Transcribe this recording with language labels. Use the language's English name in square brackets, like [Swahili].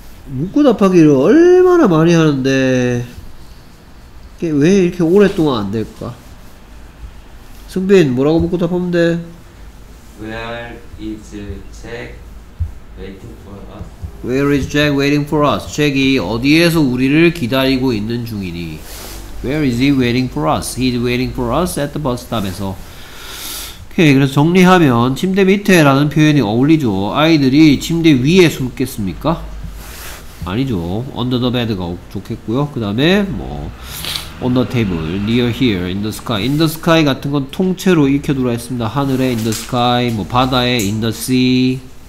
[Korean] 묻고 답하기를 얼마나 많이 하는데 이게 왜 이렇게 오랫동안 안 될까? 승빈 뭐라고 묻고 답하면 돼? [English] Where is Jack waiting for us? Where is Jack waiting for us? [Korean] Jack이 어디에서 우리를 기다리고 있는 중이니? [English] Where is he waiting for us? He's waiting for us at the bus stop에서. [Korean] 오케이, 그래서 정리하면 침대 밑에라는 표현이 어울리죠. 아이들이 침대 위에 숨겠습니까? 아니죠. [English] Under the bed [Korean] 가 좋겠고요. 그 다음에 뭐 [English] On the table, near here, in the sky. [Korean] In the sky 같은 건 통째로 익혀두라 했습니다. 하늘에 [English] in the sky, [Korean] 뭐 바다에 [English] in the sea.